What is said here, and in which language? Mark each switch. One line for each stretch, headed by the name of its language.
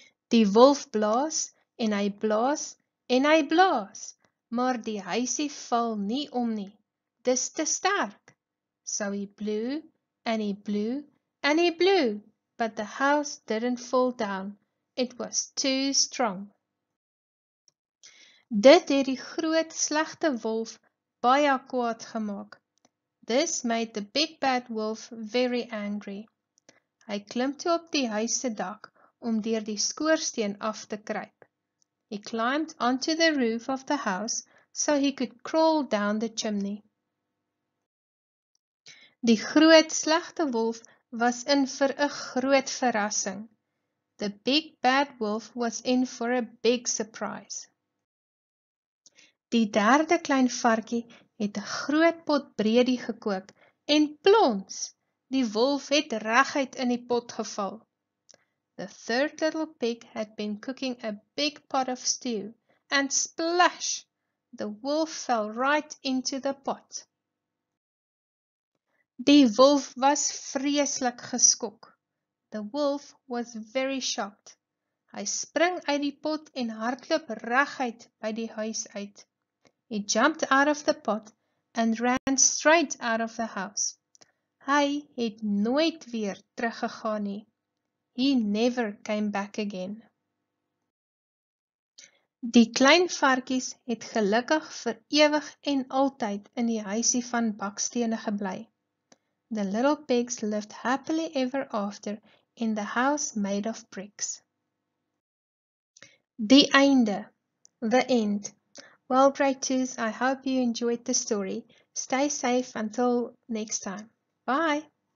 Afrikaans: Die wolf blaas en hy blaas, maar die huisie val nie om nie. Dis te sterk.
English: So he blew and he blew and he blew. But the house didn't fall down. It was too strong.
Afrikaans: Dit het die groot slegte wolf baie kwaad gemaak.
English: This made the big bad wolf very angry.
Afrikaans: Hy klim toe op die huis se dak om deur die skoorsteen af te kruip.
English: He climbed onto the roof of the house so he could crawl down the chimney.
Afrikaans: Die groot slegte wolf was in vir 'n groot verrassing.
English: The big bad wolf was in for a big surprise.
Afrikaans: Die derde klein varkie het 'n groot pot bredie gekook en plons, die wolf het reguit in die pot geval.
English: The third little pig had been cooking a big pot of stew and splash, the wolf fell right into the pot.
Afrikaans: Die wolf was vreeslik geskok.
English: The wolf was very shocked.
Afrikaans: Hy spring uit die pot en hardloop reguit by die huis uit.
English: He jumped out of the pot and ran straight out of the house.
Afrikaans: Hy het nooit weer teruggegaan nie.
English: He never came back again.
Afrikaans: Die klein varkies het gelukkig vir ewig en altyd in die huisie van bakstene gebly.
English: The little pigs lived happily ever after in the house made of bricks.
Afrikaans: Die einde.
English: The end. Well, grade 2s, I hope you enjoyed the story. Stay safe until next time. Bye!